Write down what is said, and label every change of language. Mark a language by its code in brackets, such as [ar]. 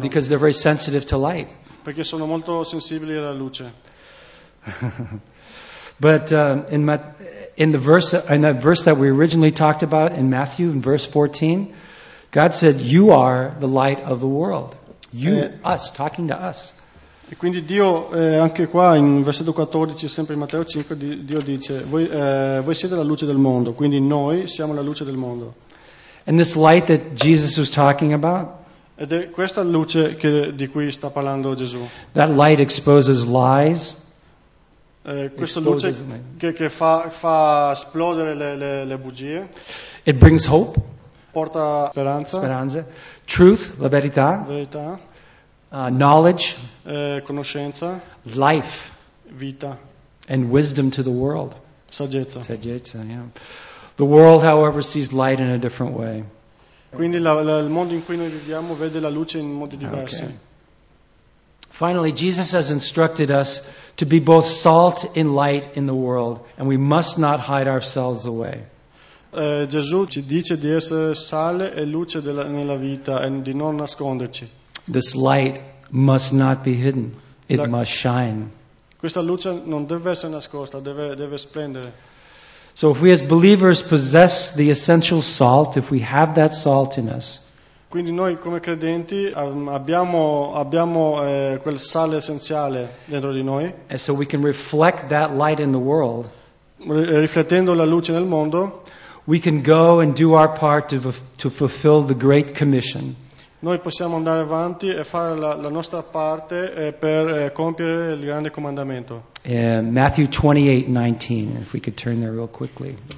[en] Because they're very sensitive to light. [it] Perché sono molto sensibili alla luce. [en] But in the verse that we originally talked about in Matthew, in verse 14, God said, "You are the light of the world." You, us, talking to us. [it] E quindi Dio, anche qua in versetto 14, sempre in Matteo 5, Dio dice, voi siete la luce del mondo, quindi noi siamo la luce del mondo. [en] And this light that Jesus was talking about, [it] ed è questa luce che, di cui sta parlando Gesù. [en] That light exposes lies. [it] Questa luce che fa esplodere le bugie. [en] It brings hope. [it] Porta speranza. Speranze. [en] Truth, [it] la verità. Verità. [en] Knowledge, [it] conoscenza, [en] life, [it] vita, [en] and wisdom to the world. [it] Saggezza. Saggezza, yeah. [en] The world, however, sees light in a different way. [it] Quindi il mondo in cui noi viviamo vede la luce in modi diversi. [en] Okay. Finally, Jesus has instructed us to be both salt and light in the world, and we must not hide ourselves away. [it] Gesù ci dice di essere sale e luce nella vita e di non nasconderci. [en] This light must not be hidden. It must shine. [it] Questa luce non deve essere nascosta, deve splendere. [en] So if we as believers possess the essential salt, if we have that salt in us, [it] quindi noi come credenti abbiamo quel sale essenziale dentro di noi, [en] and so we can reflect that light in the world, [it] riflettendo la luce nel mondo, [en] we can go and do our part to fulfill the Great Commission. [it] Noi possiamo andare avanti e fare la nostra parte per compiere il grande comandamento. [en] Matthew 28:19, if we could turn there real quickly.